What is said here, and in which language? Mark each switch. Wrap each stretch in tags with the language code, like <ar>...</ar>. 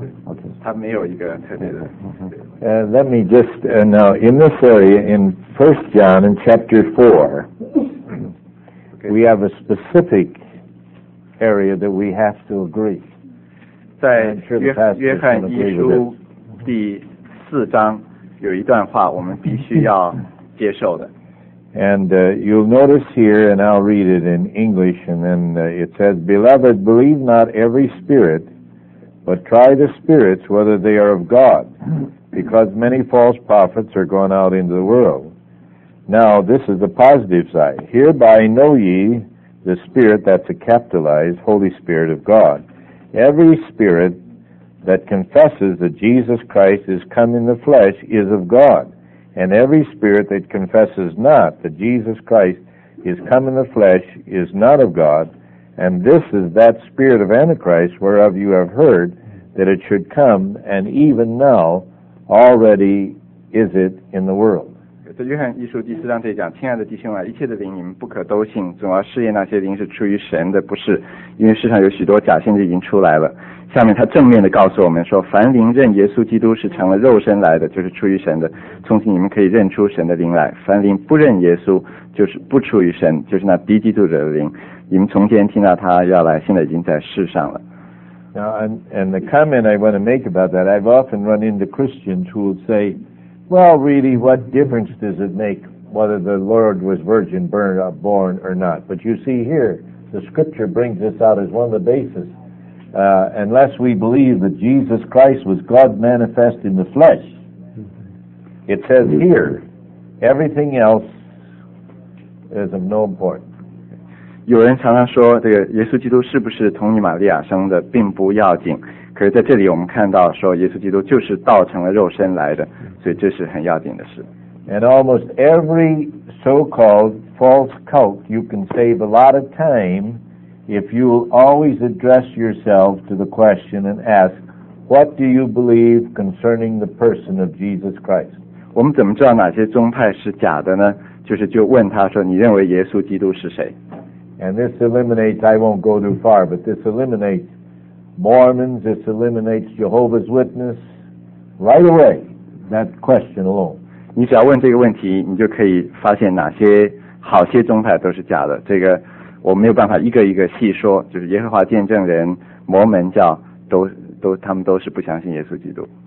<en>Let me just know, in this area, in 1 John in chapter 4, okay. We have a specific area that we have to agree.</en> <zh>在约翰一书第四章有一段话我们必须要接受的。</zh> <en>And you'll notice here, and I'll read it in English, and then it says, Beloved, believe not every spirit, but try the spirits whether they are of God, because many false prophets are gone out into the world. Now, this is the positive side. Hereby know ye the spirit, that's a capitalized Holy Spirit of God. Every spirit that confesses that Jesus Christ is come in the flesh is of God. And every spirit that confesses not that Jesus Christ is come in the flesh is not of God. And this is that spirit of Antichrist whereof you have heard that it should come, and even now already is it in the world.</en> <zh>在约翰一书第四章这里讲，亲爱的弟兄啊，一切的灵你们不可都信，总要试验那些灵是出于神的，不是，因为世上有许多假先知已经出来了。下面他正面的告诉我们说，凡灵认耶稣基督是成了肉身来的，就是出于神的，从此你们可以认出神的灵来。凡灵不认耶稣，就是不出于神，就是那敌基督者的灵。你们从前听到他要来，现在已经在世上了。</zh> <en>Now, and the comment I want to make about that, I've often run into Christians who will say, well, really, what difference does it make whether the Lord was virgin born or not? But you see here, the scripture brings this out as one of the basis. Unless we believe that Jesus Christ was God manifest in the flesh, it says here, everything else is of no importance.</en> <zh>有人常常说，这个耶稣基督是不是从你玛利亚生的并不要紧。可是在这里我们看到说，耶稣基督就是道成了肉身来的，所以这是很要紧的事。</zh> <en>And almost every so-called false cult, you can save a lot of time. If you will always address yourself to the question and ask, what do you believe concerning the person of Jesus Christ?</en> <zh>我们怎么知道哪些宗派是假的呢？就是就问他说，你认为耶稣基督是谁？</zh> <en>And this eliminates, I won't go too far, but this eliminates Mormons, this eliminates Jehovah's Witness, right away, that question alone.</en> <zh>你只要问这个问题，你就可以发现哪些好些宗派都是假的。这个我没有办法一个一个细说，就是耶和华见证人、摩门教都他们都是不相信耶稣基督。</zh>